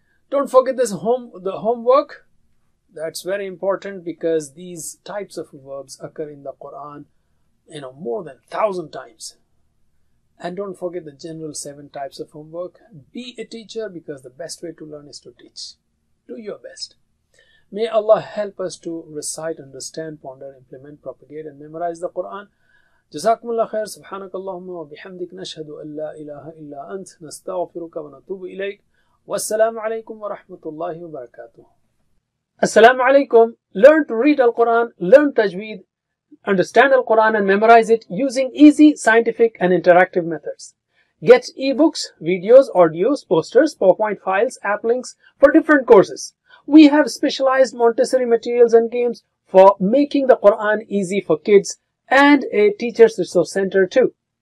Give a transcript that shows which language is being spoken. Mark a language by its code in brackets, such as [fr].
[en] Don't forget this homework. That's very important because these types of verbs occur in the Quran, you know, more than 1,000 times. And don't forget the general 7 types of homework. Be a teacher because the best way to learn is to teach. Do your best. May Allah help us to recite, understand, ponder, implement, propagate, and memorize the Quran. [ar] جزاكم الله خير. سبحانك اللهم وبحمدك نشهد أن لا إله إلا أنت نستغفرك ونتوب إليك. والسلام عليكم ورحمة الله وبركاته. [en] Assalamu alaikum. Learn to read Al-Quran, learn Tajweed, understand Al-Quran and memorize it using easy, scientific and interactive methods. Get ebooks, videos, audios, posters, PowerPoint files, app links for different courses. We have specialized Montessori materials and games for making the Quran easy for kids, and a teacher's resource center too.